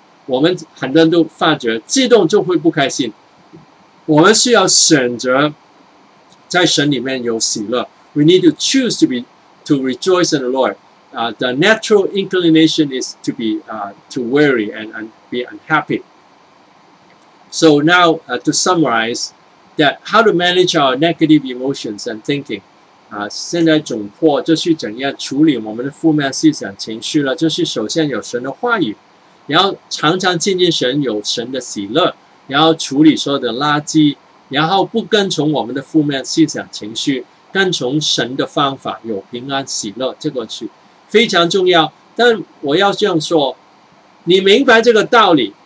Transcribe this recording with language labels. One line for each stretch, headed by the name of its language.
Chinese: 我们很多人都发觉自动就会不开心。我们需要选择在神里面有喜乐。
English: We need to choose to rejoice in the Lord. The natural inclination is to be to worry and be unhappy. So now, to summarize, that how to manage our negative emotions and thinking.
Chinese: 现在总括就是怎样处理我们的负面思想情绪了，就是首先有神的话语，然后常常亲近神，有神的喜乐，然后处理所有的垃圾，然后不跟从我们的负面思想情绪，跟从神的方法，有平安喜乐，这个是非常重要。但我要这样说，你明白这个道理，